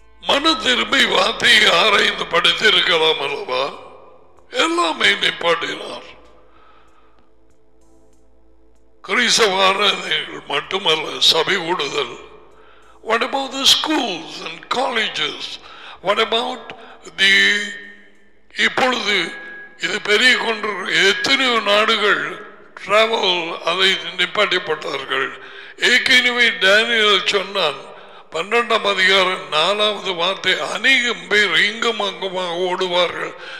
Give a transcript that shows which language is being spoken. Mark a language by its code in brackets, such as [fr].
[ta] மன திரும்பி வார்த்தையை ஆராய்ந்து படித்திருக்கலாம் அல்லவா? எல்லாமே நிப்பாட்டினார். கிறிஸ்தவ ஆராதனைகள் மட்டுமல்ல, சபை கூடுதல். [en] What about the schools and colleges? What about the [ta] இப்பொழுது இது பெரிய கொண்டிருக்க எத்தனையோ நாடுகள் டிராவல் அதை நிப்பாட்டிப்பட்டார்கள். ஏற்கனவே டேனியல் சொன்னான் 12:4 வார்த்தை, அநேகம் பேர் இங்கும் அங்குமாக ஓடுவார்கள்.